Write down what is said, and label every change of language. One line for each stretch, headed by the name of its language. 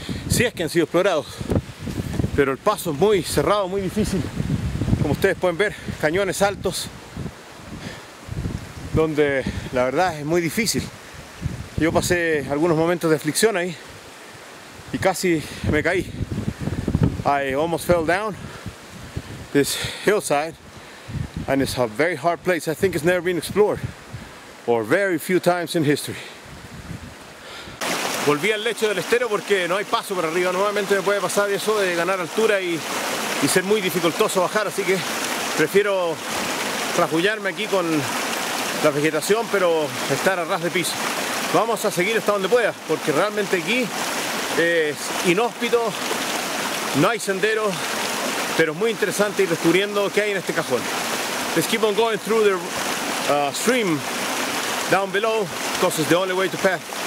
Spanish: Sí es que han sido explorados, pero el paso es muy cerrado, muy difícil. Como ustedes pueden ver, cañones altos, donde la verdad es muy difícil. Yo pasé algunos momentos de aflicción ahí y casi me caí.
English: I almost fell down this hillside, and it's a very hard place. I think it's never been explored, or very few times in history.
Spanish: Volví al lecho del estero porque no hay paso para arriba. Normalmente me puede pasar eso de ganar altura y ser muy dificultoso bajar, así que prefiero rasguñarme aquí con la vegetación, pero estar a ras de piso. Vamos a seguir hasta donde pueda, porque realmente aquí es inhóspito, no hay sendero, pero es muy interesante ir descubriendo qué hay en este cajón.
English: Let's keep on going through the stream down below, because it's the only way to pass.